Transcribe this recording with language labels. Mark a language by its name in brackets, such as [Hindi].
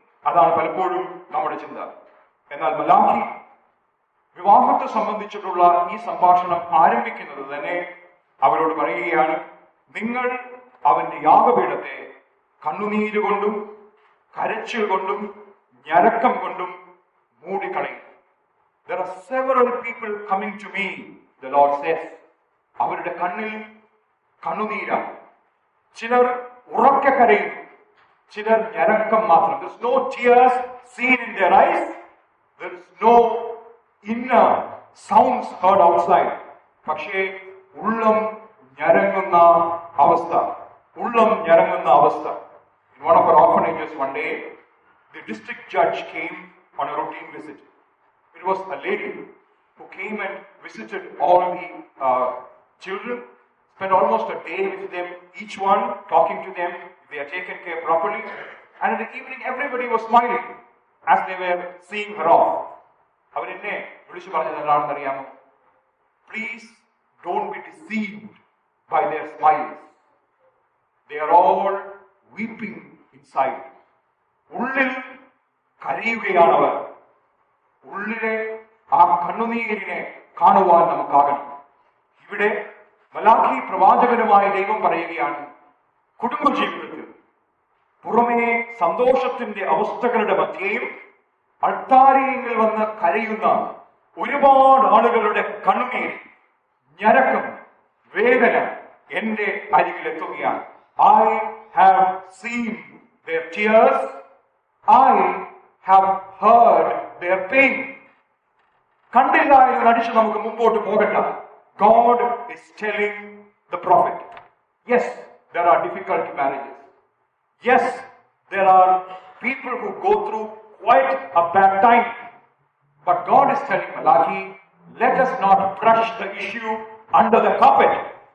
[Malayalam] അതാണ് പലപ്പോഴും നമ്മുടെ ചിന്ത. എന്നാൽ മലാഖി വിവാഹത്തെ സംബന്ധിച്ചിട്ടുള്ള ഈ സംഭാഷണം ആരംഭിക്കുന്നത് തന്നെ അവരോട് പറയുകയാണ്, നിങ്ങൾ അവന്റെ യാഗപീഠത്തെ കണ്ണുനീരുകൊണ്ടും കരച്ചിൽ കൊണ്ടും ഞരക്കം കൊണ്ടും മൂടിക്കളയും. [English] There are several people coming to me, the Lord says. [Malayalam] അവരുടെ കണ്ണിൽ കണ്ണുനീരാണ്. ചിലർ ഉറക്ക കരയുന്നു, ചിലർ ഞരക്കം മാത്രം. [English] There is no tears seen in their eyes. There is no inner sounds heard outside. [Malayalam] പക്ഷേ ഉള്ളം ഞരങ്ങുന്ന അവസ്ഥ, ഉള്ളം ഞരങ്ങുന്ന അവസ്ഥ. [English] In one of our orphanages one day, the district judge came on a routine visit. It was a lady who came and visited all the children, spent almost a day with them, each one, talking to them, they are taken care properly. And in the evening, everybody was smiling as they were seeing her off. [Malayalam] അവരെന്നെ വിളിച്ചു പറഞ്ഞതെന്താണെന്ന് അറിയാമോ? [English] Please don't be deceived by their smiles. They are all weeping inside. [Malayalam] ഉള്ളിൽ കരയുകയാണ് അവർ. ഉള്ളിലെ ആ കണ്ണുനീരിനെ കാണുവാൻ നമുക്കാകണം. ഇവിടെ മലാഖി പ്രവാചകനുമായ ദൈവം പറയുകയാണ്, കുടുംബജീവിതത്തിൽ പുറമേ സന്തോഷത്തിന്റെ അവസ്ഥകളുടെ മധ്യേയും അൾത്താരിയിൽ വന്ന് കരയുന്ന ഒരുപാട് ആളുകളുടെ കണ്ണുനീർ, ഞരക്കം, വേദന എന്റെ അരികിലെത്തുകയാണ്. [English] I have seen their tears, I have heard their pain. [Malayalam] കണ്ടില്ല എന്ന് നടിച്ച് നമുക്ക് മുമ്പോട്ട് പോകട്ടെ. [English] God is telling the prophet, yes, there are difficult marriages. Yes, there are people who go through quite a bad time. But God is telling Malachi, let us not brush the issue under the carpet.